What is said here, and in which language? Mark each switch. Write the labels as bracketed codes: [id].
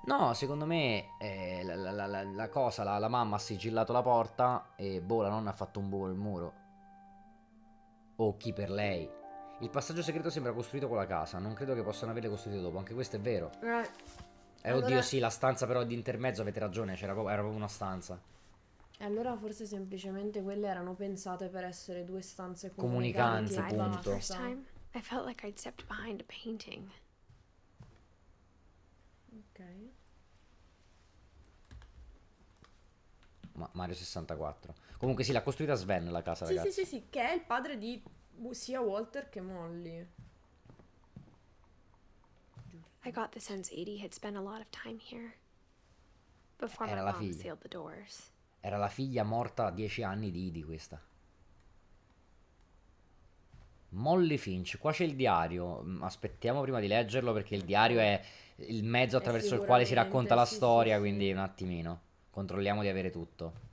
[it] No, secondo me la cosa, la mamma ha sigillato la porta e boh, la nonna ha fatto un buco nel muro. O chi per lei. Il passaggio segreto sembra costruito con la casa, non credo che possano averle costruito dopo, anche questo è vero. Allora, oddio, sì, la stanza però di intermezzo, avete ragione, era proprio una stanza. E allora forse semplicemente quelle erano pensate per essere due stanze comunicanti, punto. [en] I felt like I'd stepped behind a painting. [it] Okay. Ma Mario 64. Comunque sì, l'ha costruita Sven la casa, sì, ragazzi. Sì, sì, sì, che è il padre di sia Walter che Molly. [en] I got the sense Edie had spent a lot of time here. Before [it] era [en] my [it] la [en] mom [it] figlia. [en] Sealed the doors. [it] Era la figlia morta a 10 anni di Edie questa. Molly Finch, qua c'è il diario, aspettiamo prima di leggerlo perché il diario è il mezzo attraverso il quale si racconta la storia, sì. Quindi un attimino, controlliamo di avere tutto.